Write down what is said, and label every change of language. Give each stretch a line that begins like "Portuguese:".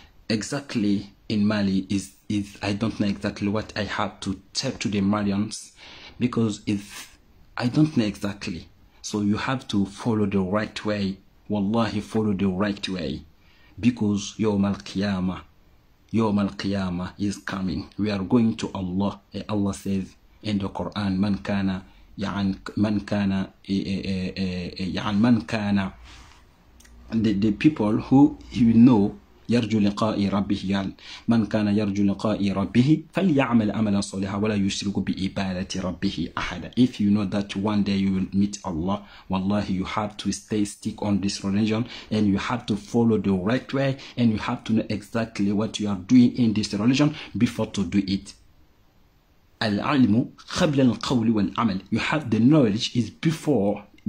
English: Exactly in Mali, is I don't know exactly what I have to tell to the Malians, because I don't know exactly. So you have to follow the right way. Wallahi, follow the right way, because yawm al-qiyamah. Yawm al-qiyamah is coming. We are going to Allah. And Allah says in the Quran,
Arabic: man kana يعني من كان يعني من كان
English: the people who you know
Arabic: يرجو لقاء ربه يعني من كان يرجو لقاء ربه فليعمل عملا صالحا ولا يشرك بعبادة ربه أحدا.
English: If you know that one day you will meet Allah,
Arabic: والله
English: you have to stay stick on this religion and you have to follow the right way and you have to know exactly what you are doing in this religion before to do it.
Arabic: العلم قبل القول والعمل.
English: You have the knowledge is before.